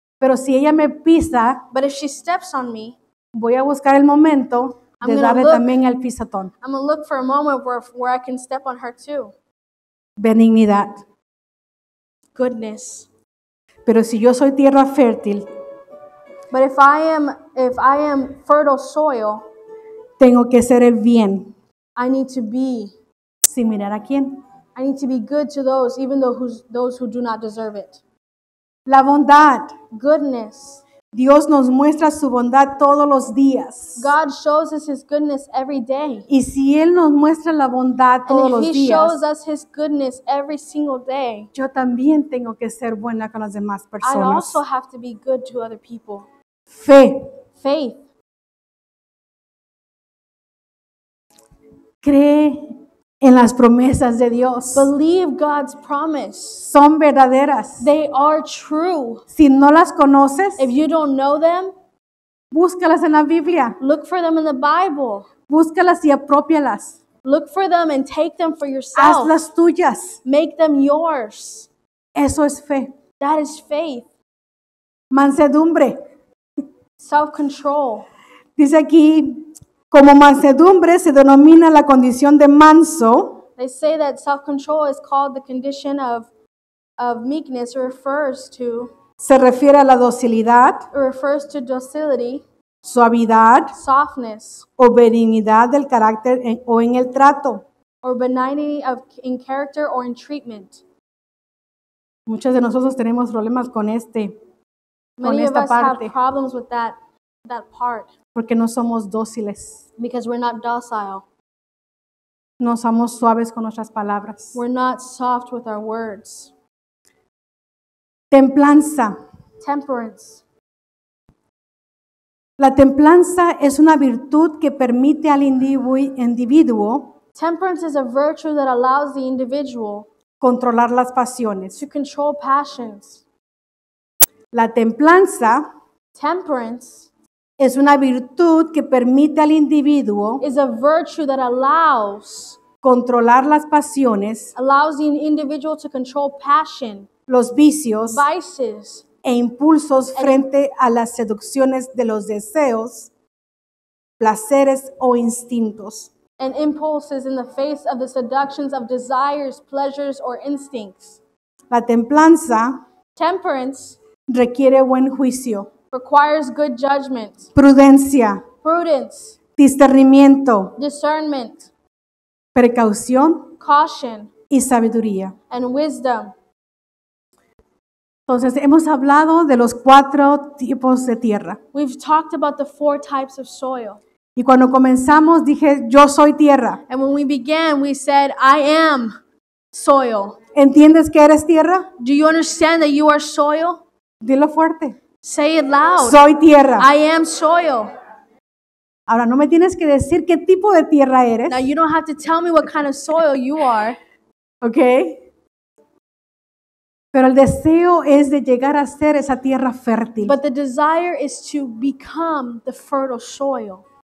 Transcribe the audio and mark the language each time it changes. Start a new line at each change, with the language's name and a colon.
Spanish: Pero si ella me pisa,
English: but if she steps on me,
Spanish: voy a buscar el momento de darle también el pisotón.
English: I'm gonna look for a moment where I can step on her too.
Spanish: Benignidad.
English: Goodness.
Spanish: Pero si yo soy tierra fértil,
English: but if I am fertile soil,
Spanish: tengo que ser el bien.
English: I need to be
Spanish: similar a quien.
English: I need to be good to those, even though those who do not deserve it.
Spanish: La bondad.
English: Goodness.
Spanish: Dios nos muestra su bondad todos los días.
English: God shows us his goodness every day.
Spanish: Y si él nos muestra la bondad todos los días,
English: and if he shows us his goodness every single day,
Spanish: yo también tengo que ser buena con las demás personas.
English: I also have to be good to other people.
Spanish: Fe.
English: Faith.
Spanish: Cree en las promesas de Dios.
English: Believe God's promise.
Spanish: Son verdaderas.
English: They are true.
Spanish: Si no las conoces,
English: if you don't know them,
Spanish: búscalas en la Biblia.
English: Look for them in the Bible.
Spanish: Búscalas y apropíalas.
English: Look for them and take them for yourself.
Spanish: Hazlas tuyas.
English: Make them yours.
Spanish: Eso es fe.
English: That is faith.
Spanish: Mansedumbre.
English: Self-control.
Spanish: Dice aquí, como mansedumbre se denomina la condición de manso.
English: They say that self-control is called the condition of meekness. It refers to.
Spanish: Se refiere a la docilidad.
English: It refers to docility.
Spanish: Suavidad.
English: Softness.
Spanish: O benignidad del carácter o en el trato.
English: Or benignity of in character or in treatment.
Spanish: Muchos de nosotros tenemos problemas con este.
English: Many
Spanish: con
English: of
Spanish: esta
English: us
Spanish: parte.
English: Have problems with that part.
Spanish: Porque no somos dóciles.
English: Because we're not docile.
Spanish: No somos suaves con nuestras palabras.
English: We're not soft with our words.
Spanish: Templanza.
English: Temperance.
Spanish: La templanza es una virtud que permite al individuo.
English: Temperance is a virtue that allows the individual
Spanish: controlar las pasiones.
English: To control passions.
Spanish: La templanza.
English: Temperance.
Spanish: Es una virtud que permite al individuo
English: is a virtue that allows
Spanish: controlar las pasiones,
English: allows the individual to control passion,
Spanish: los vicios,
English: vices,
Spanish: e impulsos frente a las seducciones de los deseos, placeres o instintos.
English: And impulses in the face of the seductions of desires, pleasures, or instincts.
Spanish: La templanza,
English: temperance,
Spanish: requiere buen juicio.
English: Requires good judgment.
Spanish: Prudencia.
English: Prudence.
Spanish: Discernimiento.
English: Discernment.
Spanish: Precaución.
English: Caution.
Spanish: Y sabiduría.
English: And wisdom.
Spanish: Entonces, hemos hablado de los cuatro tipos de tierra.
English: We've talked about the four types of soil.
Spanish: Y cuando comenzamos, dije, yo soy tierra.
English: And when we began, we said, I am soil.
Spanish: ¿Entiendes que eres tierra?
English: Do you understand that you are soil?
Spanish: Dilo fuerte.
English: Say it loud.
Spanish: Soy tierra.
English: I am soil.
Spanish: Ahora no me tienes que decir qué tipo de tierra eres.
English: Now you don't have to tell me what kind of soil you are. Okay.
Spanish: Pero el deseo es de llegar a ser esa tierra fértil.
English: But the desire is to become the fertile soil.